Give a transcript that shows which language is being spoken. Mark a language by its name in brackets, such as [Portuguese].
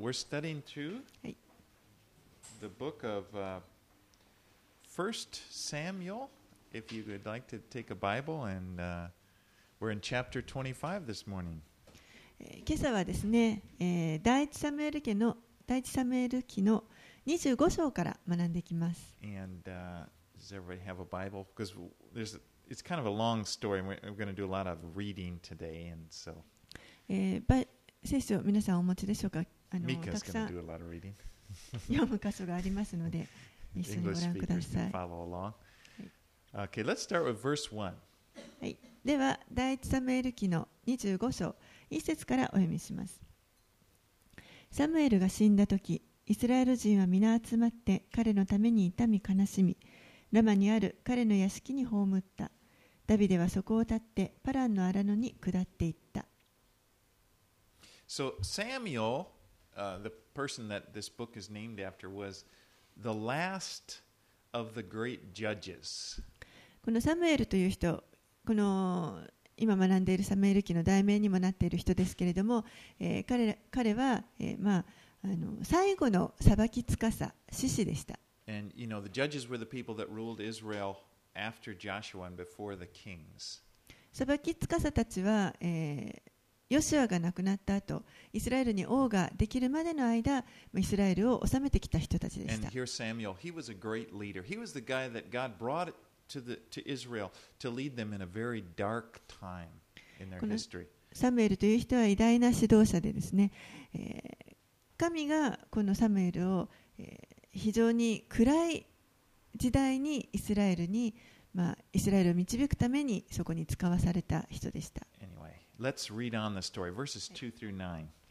[English] We're studying through the book of 1 Samuel, if you would like to take a Bible, and we're in chapter 25 this morning. [Japanese] 今朝はですね、第一サムエル記の25章から学んでいきます。 [English] And does everybody have a Bible? Because there's, it's kind of a long story, and we're going to do a lot of reading today, and so... [Japanese] 聖書を皆さんお持ちでしょうか。たくさん読む箇所がありますので、一緒にご覧ください。 [English] Okay, let's start with verse 1. [Japanese] はい、では第一サムエル記の25章1節からお読みします。サムエルが死んだ時、イスラエル人は皆集まって彼のために痛み悲しみ、ラマにある彼の屋敷に葬った。ダビデはそこを立ってパランの荒野に下っていった。 [English] So Samuel, the person that this book is named after, was the last of the great judges. [Japanese] このサムエルという人、この今学んでいるサムエル記の題名にもなっている人ですけれども、彼は、最後の裁き司、司師でした。 [English] And you know, the judges were the people that ruled Israel after Joshua and before the kings. [Japanese] 裁き司たちは、ヨシュアが亡くなった後、イスラエルに王ができるまでの間、イスラエルを治めてきた人たちでした。 [English] And here Samuel, he was a great leader. He was the guy that God brought to Israel to lead them in a very dark time in their history. [Japanese] サムエルという人は偉大な指導者でですね、神がこのサムエルを、非常に暗い時代にイスラエルに、イスラエルを導くためにそこに使わされた人でした。 [English] Let's read on the story, verses 2 through 9.